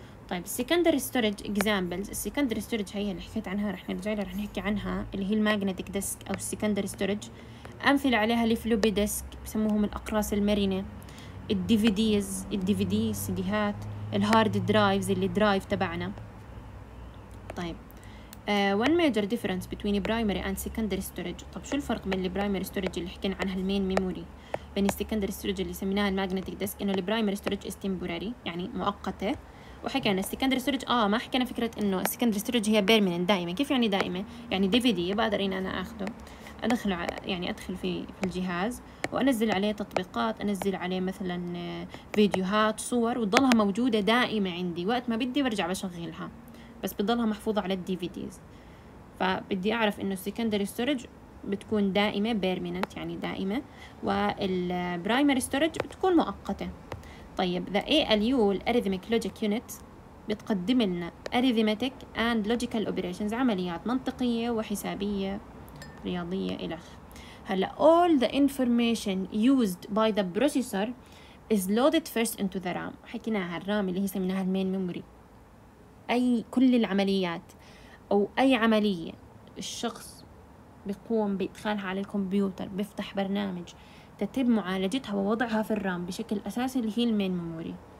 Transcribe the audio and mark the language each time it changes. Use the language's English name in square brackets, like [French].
[Arabic] طيب [English] secondary storage examples، [Arabic] secondary storage هي اللي حكيت عنها رح نرجع لها رح نحكي عنها، اللي هي الماجنتيك ديسك أو secondary storage، أمثلة عليها الفلوبي ديسك بسموهم الأقراص المرنة، الديفيديز، الديفيدي سيديهات، الهارد درايفز اللي درايف تبعنا. طيب [English] one major difference between primary and secondary storage. [Arabic] طب شو الفرق بين primary storage اللي حكينا عنها المين ميموري، بين secondary storage اللي سميناها الماجنتيك ديسك؟ إنه [English] primary storage is temporary [Arabic] يعني مؤقتة، وحكينا السكندري ستورج ما حكينا فكرة انه السكندري ستورج هي بيرمنت دائمة. كيف يعني دائمة؟ يعني دي في دي بقدر ان انا اخده ادخله، يعني ادخل في الجهاز وانزل عليه تطبيقات، انزل عليه مثلا فيديوهات صور، وتضلها موجودة دائمة عندي وقت ما بدي برجع بشغلها، بس بتضلها محفوظة على الدي في ديز. فبدي اعرف انه السكندري ستورج بتكون دائمة بيرمنت يعني دائمة، والبرايمري ستورج بتكون مؤقتة. طيب [English] the ALU Arithmetic Logic Unit [Arabic] بتقدم لنا [English] Arithmetic and Logical Operations، [Arabic] عمليات منطقية وحسابية رياضية إلى آخره. هلأ [English] all the information used by the processor is loaded first into the RAM. [Arabic] حكيناها الرام اللي هي سميناها المين ميموري. أي كل العمليات أو أي عملية الشخص بيقوم بإدخالها على الكمبيوتر، بيفتح برنامج، تتم معالجتها ووضعها في الرام بشكل أساسي اللي هي المين ميموري.